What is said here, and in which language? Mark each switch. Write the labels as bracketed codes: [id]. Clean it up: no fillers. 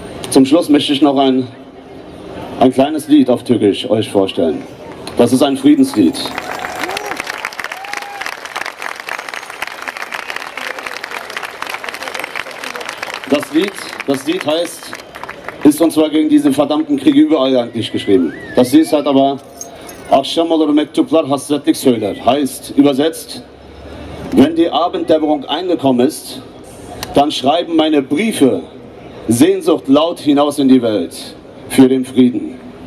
[de] Zum Schluss möchte ich noch ein kleines Lied auf Türkisch euch vorstellen. Das ist ein Friedenslied. Das Lied heißt, ist und zwar gegen diese verdammten Kriege überall eigentlich geschrieben. Das Lied hat aber [tr] Akşam olur mektuplar hasretlik söyler. [de] Heißt, übersetzt, wenn die Abenddämmerung eingekommen ist, dann schreiben meine Briefe Sehnsucht laut hinaus in die Welt für den Frieden.